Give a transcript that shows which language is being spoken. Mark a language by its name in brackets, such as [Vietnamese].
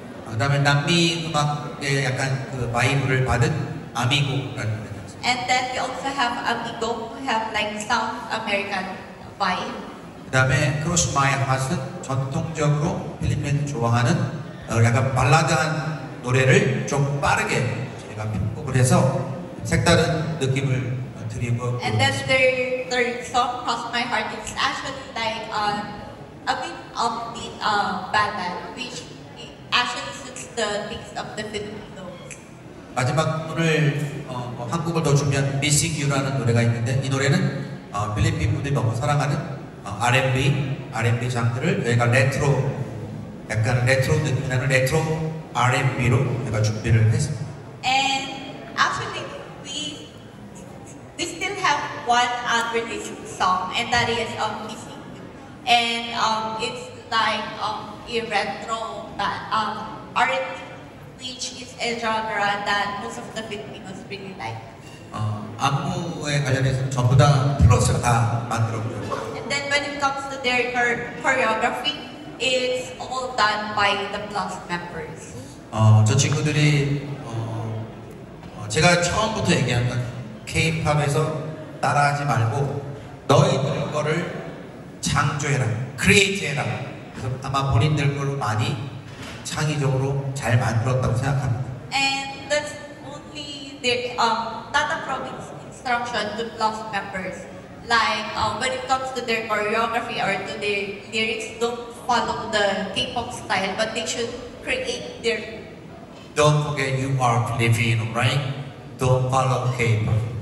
[Korean] 그다음에 남미 음악의 약간 그 바이브를 받은 아미고라는 노래. [English] And then we also have Amigo who have like South American vibe. [Korean] 그 다음에 Cross My Heart은 전통적으로 필리핀 좋아하는 약간 발라드한 노래를 좀 빠르게 제가 편곡을 해서 색다른 느낌을 드리고 [English] And that's their third song, Cross My Heart. It's actually like a bit of the ballad, which actually suits the taste of the Filipino. [Korean] 마지막 오늘 한국을 더 준비한 Missing You라는 노래가 있는데 이 노래는 필리핀 분들이 너무 사랑하는 R&B 장르를 저희가 레트로 약간 레트로 느낌나는 레트로 R&B로 제가 준비를 했습니다. [English] And actually we still have one other releasing song and that is Missing You. And it's like a retro R&B which is a genre that most of the Filipinos really like. [Korean] 안무에 관련해서는 전부 다 플러스가 다 만들었고요. [English] And then when it comes to their choreography, it's all done by the PLUUS members. [Korean] 저 친구들이 제가 처음부터 얘기한 건 K-pop에서 따라하지 말고 너희들 거를 창조해라, 크리에이트해라. 그래서 아마 본인들 거로 많이 창의적으로 잘 만들었다고 생각합니다. [English] And that's only the Tata Province instruction to PLUUS members. Like when it comes to their choreography or to their lyrics, don't follow the K-pop style, but they should create their. Don't forget you are Filipino, right? Don't follow K-pop.